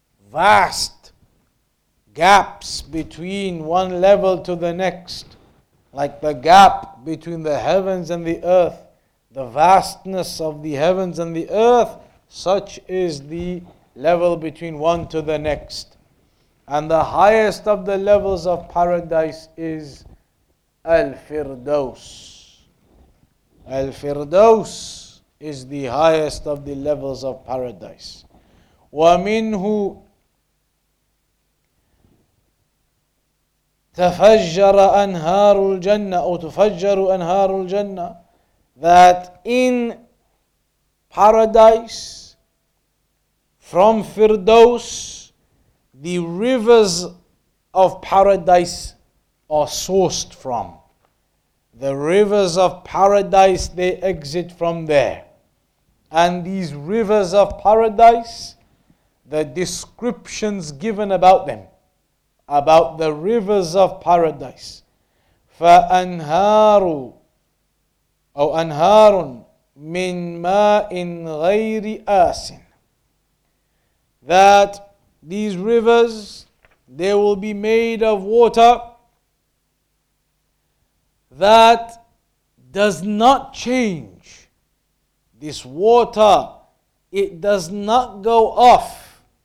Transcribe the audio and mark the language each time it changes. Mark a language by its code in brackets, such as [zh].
[en] Vast gaps between one level to the next, like the gap between the heavens and the earth, the vastness of the heavens and the earth, such is the level between one to the next. And the highest of the levels of paradise is Al-Firdaus. Al-Firdaus is the highest of the levels of paradise. [ar] وَمِنْهُ تَفَجَّرَ أَنْهَارُ الْجَنَّةِ أو تُفَجَّرُ أَنْهَارُ الْجَنَّةِ. [en] That in paradise, from Firdaus, the rivers of paradise are sourced from. The rivers of paradise, they exit from there. And these rivers of paradise, the descriptions given about them, about the rivers of paradise. [ar] فَأَنْهَارُ أو أَنْهَارٌ مِنْ مَاءٍ غَيْرِ آسٍ. [en] That these rivers, they will be made of water that does not change. This water, it does not go off.